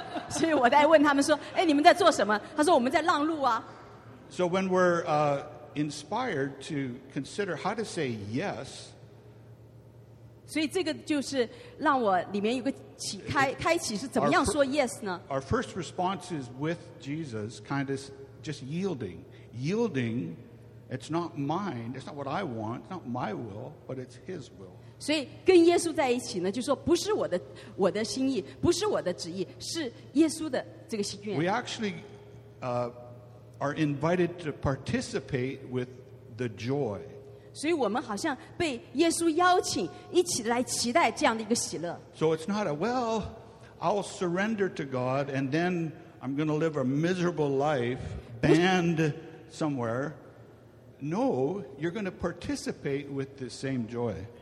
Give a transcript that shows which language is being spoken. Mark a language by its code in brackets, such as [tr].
[zh] 所以我在问他们说，哎，你们在做什么？他说我们在让路啊。 [en] So when we're inspired to consider how to say yes, [zh] 所以这个就是让我里面有个启开启是怎么样说yes呢？ [en] Our first response is with Jesus, kind of just yielding. Yielding, it's not mine, it's not what I want, it's not my will, but it's His will. [zh] 所以跟耶稣在一起呢，就说不是我的心意，不是我的旨意，是耶稣的这个心愿。 [en] We actually are invited to participate with the joy. [zh] 所以我们好像被耶稣邀请一起来期待这样的一个喜乐。 [en] So it's not a, well, I'll surrender to God and then I'm going to live a miserable life, banned somewhere. No, you're going to participate with the same joy.